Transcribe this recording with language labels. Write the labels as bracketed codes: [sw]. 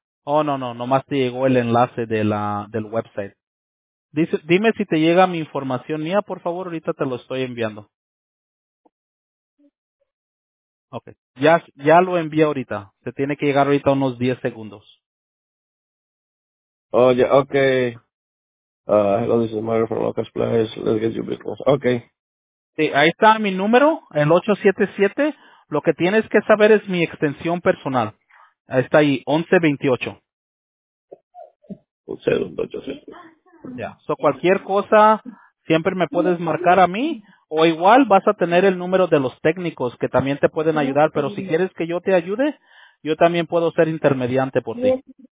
[es] Oh, no, nomás te llegó el enlace del website. Dime si te llega mi información mía, por favor, ahorita te lo estoy enviando. Okay, ya lo envié ahorita. Te tiene que llegar ahorita unos 10 segundos. [en] Oh, yeah, okay. Hello, this is Mario from Locust Place. Let's get you business. Okay. [es] Sí, ahí está mi número, el 877. Lo que tienes que saber es mi extensión personal. Ahí está ahí, 1128. Un segundo, 877. Ya, so cualquier cosa, siempre me puedes marcar a mí, o igual vas a tener el número de los técnicos que también te pueden ayudar, pero si quieres que yo te ayude, yo también puedo ser intermediante por ti.